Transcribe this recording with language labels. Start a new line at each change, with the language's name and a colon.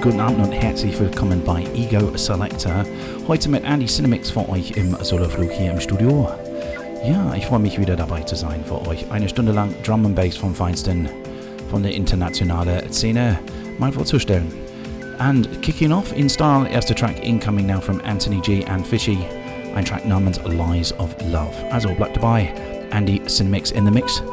German: Guten Abend und herzlich willkommen bei Ego Selector. Heute mit Andy Cinemix für euch im Soloflug hier im Studio. Ja, ich freue mich wieder dabei zu sein für euch. Eine Stunde lang Drum and Bass vom Feinsten, von der internationalen Szene, mal vorzustellen.
English: And kicking off in style,
German: erster Track
English: incoming now from Anthony G and Fishy.
German: Ein Track namens Lies of Love. Also bleibt dabei, Andy Cinemix
English: in the mix.